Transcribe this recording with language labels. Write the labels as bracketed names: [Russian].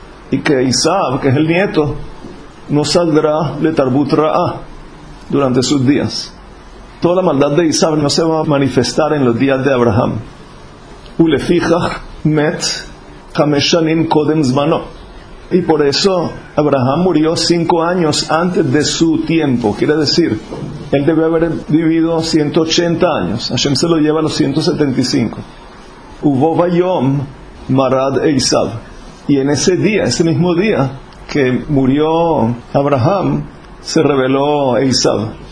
[Spanish] Y que Isav, que es el nieto, no saldrá [Hebrew] le tarbut ra'a [Spanish] durante sus días. Toda la maldad de Isav no se va a manifestar en los días de Abraham. [Hebrew] ולפיכך מת חמש שנים קודם זמנו. [Spanish] Y por eso Abraham murió 5 años antes de su tiempo. Quiere decir, él debe haber vivido 180 años. Hashem se lo lleva a los 175. [Hebrew] Ubo vayom marad Esav. [Spanish] Y en ese día, ese mismo día que murió Abraham, se rebeló Esav.